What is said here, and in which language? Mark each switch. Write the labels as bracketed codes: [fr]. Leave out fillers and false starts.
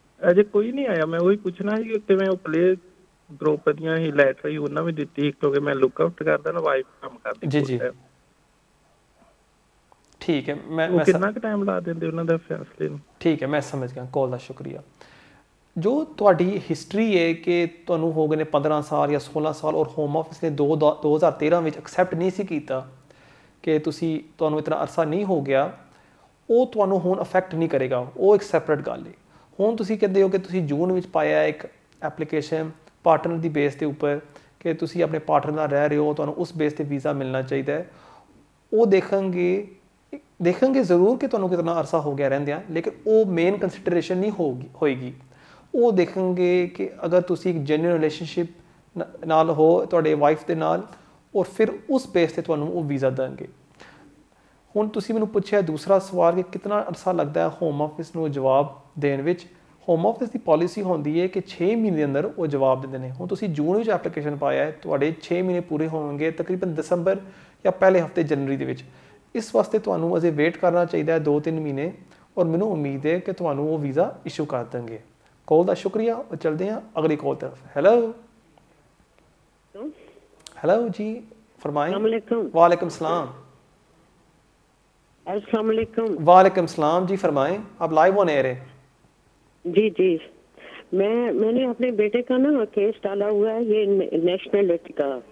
[pa] ਅਜੇ ਕੋਈ ਨਹੀਂ ਆਇਆ, ਮੈਂ ਉਹੀ ਪੁੱਛਣਾ ਸੀ ਕਿਵੇਂ ਉਹ ਪਲੇ ਦ੍ਰੋਪਦੀਆਂ ਹੀ ਲੈਟਰ ਹੀ ਉਹਨਾਂ ਵੀ ਦਿੱਤੀ, ਕਿਉਂਕਿ ਮੈਂ ਲੁੱਕ ਆਊਟ ਕਰਦਾ ਨਾ ਵਾਈਫ ਕੰਮ ਕਰਦੀ। ਜੀ ਜੀ, ਠੀਕ ਹੈ ਮੈਂ ਕਿੰਨਾ ਕੁ ਟਾਈਮ ਲਾ ਦਿੰਦੇ ਉਹਨਾਂ ਦੇ ਫੈਸਲੇ ਨੂੰ? ਠੀਕ ਹੈ ਮੈਂ ਸਮਝ ਗਿਆ, ਕਾਲ ਦਾ ਸ਼ੁਕਰੀਆ। ਜੋ ਤੁਹਾਡੀ ਹਿਸਟਰੀ ਹੈ ਕਿ ਤੁਹਾਨੂੰ ਹੋ ਗਏ ਨੇ 15 ਸਾਲ ਜਾਂ 16 ਸਾਲ, ਔਰ ਹੋਮ ਆਫਿਸ ਨੇ 2013 ਵਿੱਚ ਐਕਸੈਪਟ ਨਹੀਂ ਸੀ ਕੀਤਾ ਕਿ ਤੁਸੀਂ, ਤੁਹਾਨੂੰ ਇਤਨਾ ਅਰਸਾ ਨਹੀਂ ਹੋ ਗਿਆ, ਉਹ ਤੁਹਾਨੂੰ ਹੁਣ ਅਫੈਕਟ ਨਹੀਂ ਕਰੇਗਾ, ਉਹ ਇੱਕ ਸੈਪਰੇਟ ਗੱਲ ਹੈ। ਹੁਣ ਤੁਸੀਂ ਕਹਿੰਦੇ ਹੋ ਕਿ ਤੁਸੀਂ ਜੂਨ ਵਿੱਚ ਪਾਇਆ ਇੱਕ ਐਪਲੀਕੇਸ਼ਨ ਪਾਰਟਨਰ ਦੀ ਬੇਸ ਦੇ ਉੱਪਰ ਕਿ ਤੁਸੀਂ ਆਪਣੇ ਪਾਰਟਨਰ ਨਾਲ ਰਹਿ ਰਹੇ ਹੋ, ਤੁਹਾਨੂੰ ਉਸ ਬੇਸ 'ਤੇ ਵੀਜ਼ਾ ਮਿਲਣਾ ਚਾਹੀਦਾ ਹੈ। ਉਹ ਦੇਖਣਗੇ ਜ਼ਰੂਰ ਕਿ ਤੁਹਾਨੂੰ ਕਿਤਨਾ ਅਰਸਾ ਹੋ ਗਿਆ ਰਹਿੰਦਿਆਂ, ਲੇਕਿਨ ਉਹ ਮੇਨ ਕੰਸਿਡਰੇਸ਼ਨ ਨਹੀਂ ਹੋਏਗੀ। ਉਹ ਦੇਖਣਗੇ ਕਿ ਅਗਰ ਤੁਸੀਂ ਇੱਕ ਜੈਨੂਇਨ ਰਿਲੇਸ਼ਨਸ਼ਿਪ ਨਾਲ ਹੋ ਤੁਹਾਡੇ ਵਾਈਫ ਦੇ ਨਾਲ, ਔਰ ਫਿਰ ਉਸ ਬੇਸ 'ਤੇ ਤੁਹਾਨੂੰ ਉਹ ਵੀਜ਼ਾ ਦੇਣਗੇ। ਹੁਣ ਤੁਸੀਂ ਮੈਨੂੰ ਪੁੱਛਿਆ ਦੂਸਰਾ ਸਵਾਲ ਕਿ ਕਿਤਨਾ ਅਰਸਾ ਲੱਗਦਾ ਹੈ ਹੋਮ ਆਫਿਸ ਨੂੰ ਜਵਾਬ ਦੇਣ ਵਿੱਚ। ਹੋਮ ਆਫਿਸ ਦੀ ਪੋਲਿਸੀ ਹੁੰਦੀ ਹੈ ਕਿ 6 ਮਹੀਨੇ ਅੰਦਰ ਉਹ ਜਵਾਬ ਦਿੰਦੇ ਨੇ। ਹੁਣ ਤੁਸੀਂ ਜੂਨ ਵਿੱਚ ਐਪਲੀਕੇਸ਼ਨ ਪਾਇਆ ਹੈ, ਤੁਹਾਡੇ 6 ਮਹੀਨੇ ਪੂਰੇ ਹੋਣਗੇ ਤਕਰੀਬਨ ਦਸੰਬਰ ਜਾਂ ਪਹਿਲੇ ਹਫ਼ਤੇ ਜਨਵਰੀ ਦੇ ਵਿੱਚ। ਇਸ ਵਾਸਤੇ ਤੁਹਾਨੂੰ ਅਜੇ ਵੇਟ ਕਰਨਾ ਚਾਹੀਦਾ ਹੈ 2-3 ਮਹੀਨੇ, ਔਰ ਮੈਨੂੰ ਉਮੀਦ ਹੈ ਕਿ ਤੁਹਾਨੂੰ ਉਹ ਵੀਜ਼ਾ ਇਸ਼ੂ ਕਰ ਦੇਣਗੇ। ਕਾਲ ਦਾ ਸ਼ੁਕਰੀਆ, ਚੱਲਦੇ ਹਾਂ ਅਗਲੀ ਕਾਲ ਤਰਫ। ਹੈਲੋ ਹੈਲੋ ਜੀ, ਫਰਮਾਏ। ਵਾਲੇਕੁਮ ਸਲਾਮ। [ur] السلام علیکم۔ وعلیکم السلام جی، فرمائیں، آپ لائیو آن ایئر ہیں۔ جی جی، میں نے اپنے بیٹے کا نا کیس ڈالا ہوا ہے، یہ نیشنل لٹی کا۔